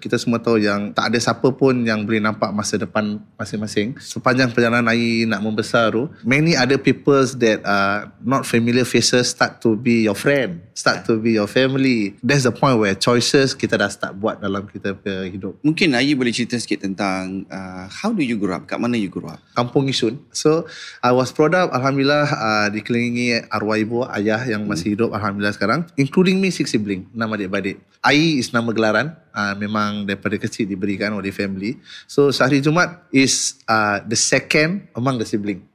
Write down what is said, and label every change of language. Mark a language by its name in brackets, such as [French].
[Malay] Kita semua tahu yang tak ada siapa pun yang boleh nampak masa depan masing-masing. Sepanjang perjalanan air nak membesar tu, [English] many other peoples that are not familiar faces start to be your friend, start to be your family. That's the point where choices [Malay] kita dah [English] start [Malay] buat dalam kita hidup. Mungkin Ayi boleh cerita sikit tentang [English] how do you grow up? [Malay] Kat mana [English] you grow up? [Malay] Kampung Isun. [English] So, I was brought up, [Malay] Alhamdulillah, dikelilingi arwah ibu, ayah yang masih hidup, Alhamdulillah sekarang. [English] Including me, 6 sibling, [Malay] 6 adik-beradik. [English] Ayi is [Malay] nama gelaran. Memang daripada kecil diberikan oleh family. [English] So, Sahri Jumaat is the second among the sibling.